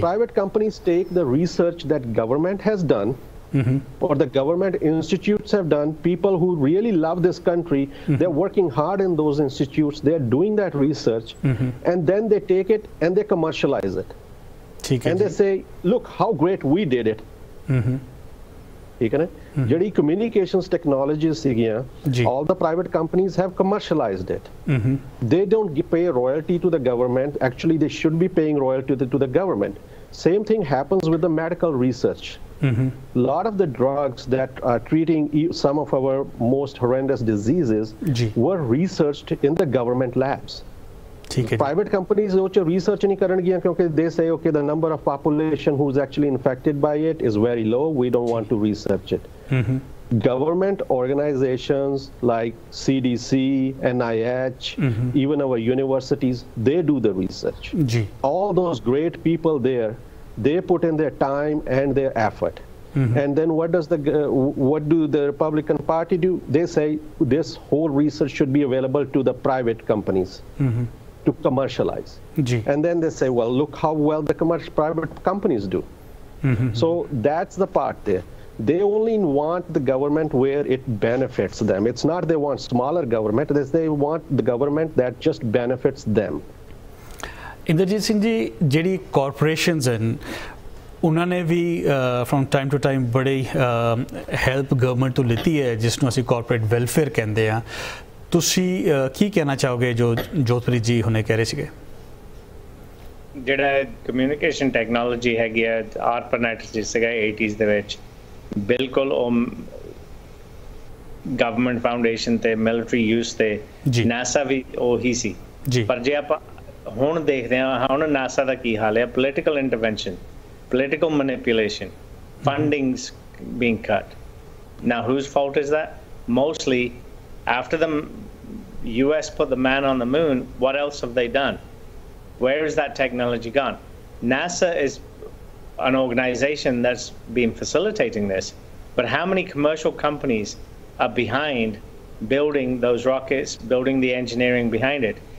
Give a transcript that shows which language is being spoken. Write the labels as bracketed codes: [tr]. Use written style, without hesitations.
[en] private companies take the research that government has done, or the government institutes have done. People who really love this country, they're working hard in those institutes, they're doing that research, and then they take it and they commercialize it. [pa] Theek [en] hai, and they say, look how great we did it. [pa] ਠੀਕ ਹੈ ਨਾ, ਜਿਹੜੀ communications technology ਸੀਗੀਆਂ, [en] All the private companies have commercialized it, they don't pay royalty to the government, actually they should be paying royalty to the government. Same thing happens with the medical research. Lot of the drugs that are treating some of our most horrendous diseases were researched in the government labs. Private companies which are [pa] research nahi karangiyan kyunki [en] they say okay the number of population who is actually infected by it is very low, we don't want to research it. Government organizations like CDC, NIH, even our universities, they do the research. All those great people there, they put in their time and their effort. And then what does the what do the Republican Party do? They say this whole research should be available to the private companies to commercialize. And then they say, well, look how well the commercial private companies do. So that's the part there. They only want the government where it benefits them. It's not they want smaller government, it's they want the government that just benefits them. [pa] Inderjit Singh ji, jehdi corporations and ਉਹਨਾਂ ਨੇ ਵੀ [en] from time to time [pa] ਬੜੀ help government ਤੋਂ ਲਿੱਤੀ ਹੈ, ਜਿਸ ਨੂੰ ਅਸੀਂ corporate welfare ਕਹਿੰਦੇ ਹਾਂ. ਤੁਸੀਂ ਕੀ ਕਹਿਣਾ ਚਾਹੋਗੇ ਜੋ ਜੋਤਪ੍ਰੀਤ ਜੀ ਹੁਣੇ ਕਹਿ ਰਹੇ ਸੀਗੇ? ਜਿਹੜਾ ਕਮਿਊਨੀਕੇਸ਼ਨ ਟੈਕਨੋਲੋਜੀ ਹੈਗੀ ਹੈ, ਆਰਪਨੈਟ ਜਿਸ ਹੈਗਾ 80s ਦੇ ਵਿੱਚ, ਬਿਲਕੁਲ ਉਹ ਗਵਰਨਮੈਂਟ ਫਾਊਂਡੇਸ਼ਨ ਤੇ ਮਿਲਟਰੀ ਯੂਜ ਤੇ, ਨਾਸਾ ਵੀ ਉਹੀ ਸੀ ਜੀ. ਪਰ ਜੇ ਆਪਾਂ ਹੁਣ ਦੇਖਦੇ ਹਾਂ, ਹੁਣ ਨਾਸਾ ਦਾ ਕੀ ਹਾਲ ਹੈ? [en] Political intervention, political manipulation, fundings being cut. Now whose fault is that? Mostly after the US put the man on the moon, what else have they done? Where is that technology gone? NASA is an organization that's been facilitating this, but how many commercial companies are behind building those rockets, building the engineering behind it?